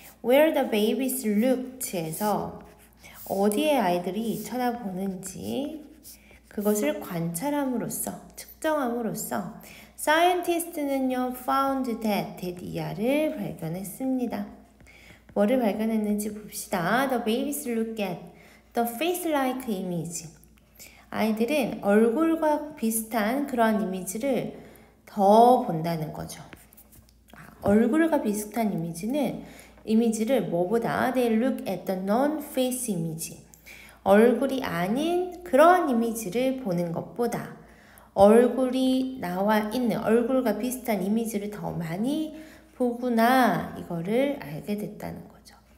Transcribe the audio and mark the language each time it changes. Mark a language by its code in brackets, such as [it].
[en] Where the babies looked [ko] 에서 어디에 아이들이 쳐다보는지 그것을 관찰함으로써 측정함으로써 scientist는요 found that, ER을 발견했습니다. 뭐를 발견했는지 봅시다. [en] The babies look at the face-like image. [ko] 아이들은 얼굴과 비슷한 그러한 이미지를 더 본다는 거죠. 얼굴과 비슷한 이미지를 뭐보다 [en] they look at the non-face image. [ko] 얼굴이 아닌 그러한 이미지를 보는 것보다 얼굴이 나와 있는 얼굴과 비슷한 이미지를 더 많이 보구나 이거를 알게 됐다는 거죠.